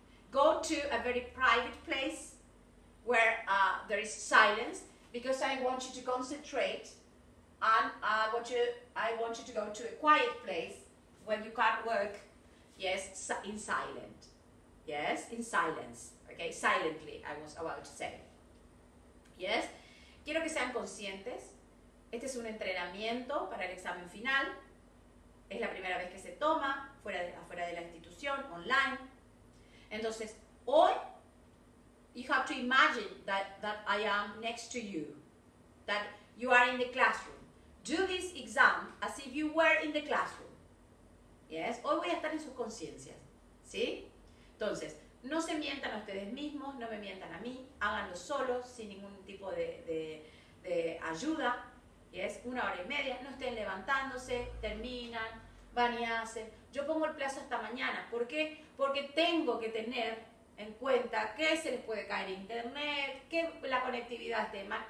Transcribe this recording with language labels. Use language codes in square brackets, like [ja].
[en] Go to a very private place where there is silence, because I want you to concentrate, and I want you to go to a quiet place where you can't work, yes, in silent, yes, in silence, okay, silently, I was about to say, yes. [es] Quiero que sean conscientes, este es un entrenamiento para el examen final, es la primera vez que se toma afuera de la institución, online. Entonces, hoy, [en] you have to imagine that I am next to you, that you are in the classroom. Do this exam as if you were in the classroom. Yes? [es] Hoy voy a estar en sus conciencias. ¿Sí? Entonces, no se mientan a ustedes mismos, no me mientan a mí, háganlo solos, sin ningún tipo de ayuda. [en] Yes? [es] Una hora y media, no estén levantándose, terminan, van y hacen. Yo pongo el plazo hasta mañana. ¿Por qué? Porque tengo que tener en cuenta que se les puede caer internet, que la conectividad es de más.